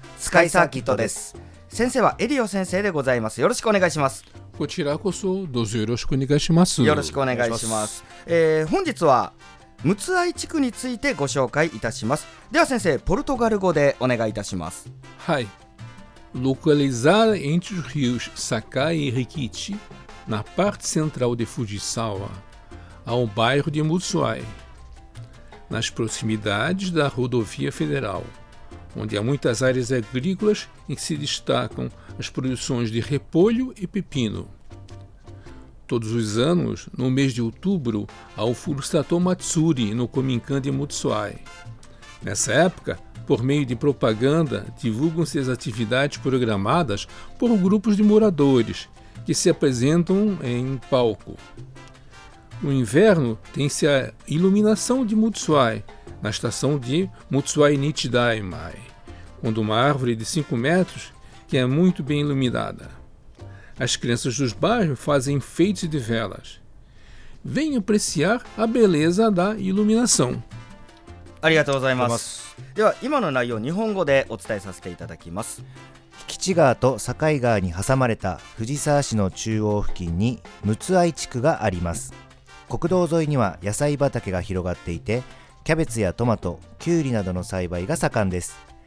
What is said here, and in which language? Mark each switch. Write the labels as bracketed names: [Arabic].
[Japanese] スカイサーキットです。先生はエリオ先生でございます。よろしくお願いします。こちらこそどうぞよろしくお願いします。よろしくお願いします。本日はムツアイ地区についてご紹介いたします。では先生、ポルトガル語でお願いいたします。はい。 [Portuguese] Localizada entre os rios Sakai e Rikichi, na parte central de Fujisawa, há um bairro de Mutsuai, nas proximidades da rodovia federal, onde há muitas áreas agrícolas em que se destacam as produções de repolho e pepino. Todos os anos, no mês de outubro, há o Furusato Matsuri no Kominkan de Mutsuai. Nessa época, por meio de propaganda, divulgam-se as atividades programadas por grupos de moradores, que se apresentam em palco. No inverno, tem-se a iluminação de Mutsuai, na estação de Mutsuai Nichidaimai, quando uma árvore de 5 metros que é muito bem iluminada. As crianças dos bairros fazem enfeites de velas. Venha apreciar a beleza da iluminação. [Japanese] ありがとうございます。では今の内容を日本語でお伝えさせていただきます。引地川と境川に挟まれた藤沢市の中央付近にムツアイ地区があります。国道沿いには野菜畑が広がっていて、キャベツやトマト、キュウリなどの栽培が盛んです。